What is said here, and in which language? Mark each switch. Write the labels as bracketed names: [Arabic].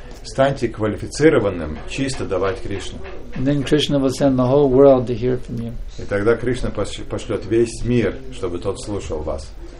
[Russian] Станьте квалифицированным чисто давать Кришну. [English] And then Krishna will send the whole world to hear from you. [Russian] И тогда Кришна пошлет весь мир, чтобы тот слушал вас.